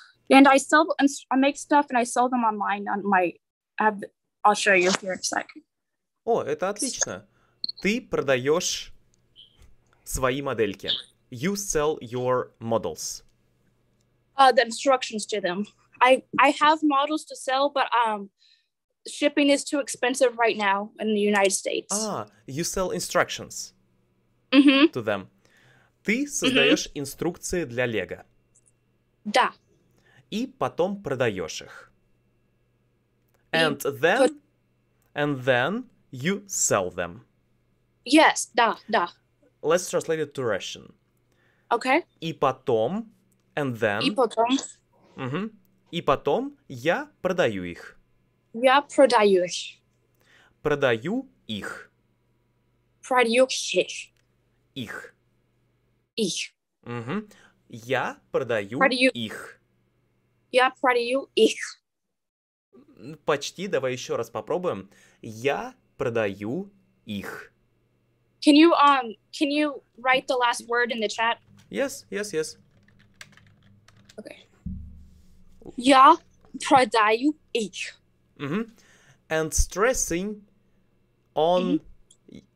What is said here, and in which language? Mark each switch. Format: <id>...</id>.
<en>And I sell, I make stuff and I sell them online on my, I'll show you here in a second.</en> <ru>О, это отлично. Ты продаешь свои модельки.</ru> <en>You sell your models. The instructions to them. I have models to sell, but shipping is too expensive right now in the United States. You sell instructions mm-hmm.</en> <ru>to them. Ты создаешь mm-hmm. инструкции для Лего. Да. И потом продаешь их.</ru> <en>And then you sell them. Yes,</en> <ru>да.</ru> <en>Let's translate it to Russian. Okay.</en> <ru>И потом,</ru> <en>and then.</en> <ru>И потом. Угу. И потом я продаю их. Я продаю их. Продаю их. Продаю их. Их. Их. Угу. Я продаю их. Я продаю их. Почти, давай еще раз попробуем. Я продаю их.</ru> <en>Can you write the last word in the chat? Yes.</en> <ru>Okay. Я продаю их.</ru> <en>Mm-hmm. And stressing on mm-hmm.</en>